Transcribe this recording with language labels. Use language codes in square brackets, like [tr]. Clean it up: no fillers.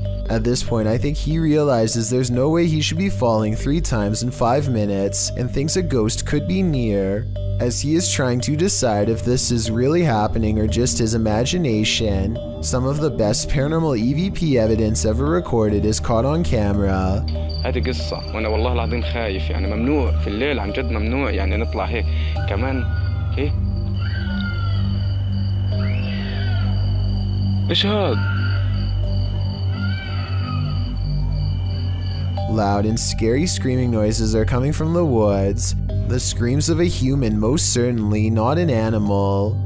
[en] At this point, I think he realizes there's no way he should be falling 3 times in 5 minutes and thinks a ghost could be near. As he is trying to decide if this is really happening or just his imagination, some of the best paranormal EVP evidence ever recorded is caught on camera. [ar] هذه قصة وأنا والله العظيم خايف يعني ممنوع في الليل عن جد ممنوع يعني نطلع هيك كمان هيه إيش هذا. [en] Loud and scary screaming noises are coming from the woods. The screams of a human, most certainly not an animal.